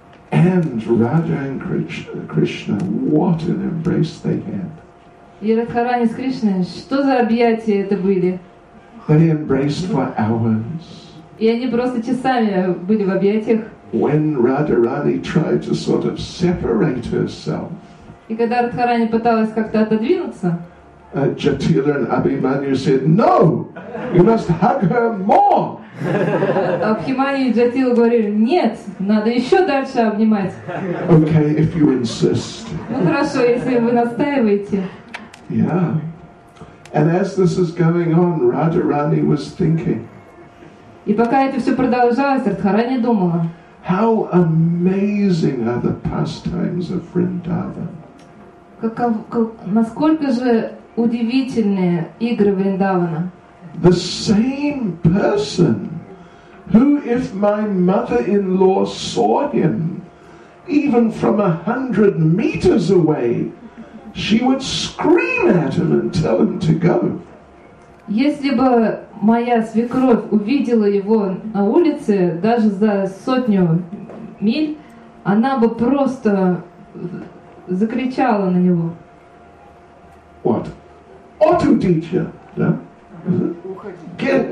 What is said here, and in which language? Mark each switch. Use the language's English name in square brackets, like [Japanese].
[English] And Radha and Krishna, what an embrace they had. [Russian] И Радхарани с Кришной, что за объятия это были? [English] They embraced for hours. [Russian] И они просто часами были в объятиях. [English] When Radharani tried to sort of separate herself. [Russian] И когда Радхарани пыталась как-то отодвинуться. [English] Jatila and Abhimanyu said, "No, you must hug her more." [Russian] Абхиманью и Джатилу говорили, нет, надо еще дальше обнимать. [English] Okay, if you insist. [Russian] Ну хорошо, если вы настаиваете. [English] Yeah. And as this is going on, Radharani was thinking. [Russian] И пока это все продолжалось, Радхарани думала. [English] How amazing are the pastimes of Vrindavan. [Russian] Насколько же удивительные игры Вриндавана. [English] The same person who, if my mother-in-law saw him, even from 100 meters away, she would scream at him and tell him to go. [Russian] Если бы моя свекровь увидела его на улице, даже за сотню миль, она бы просто закричала на него. What? Auto teacher, yeah? Да? Get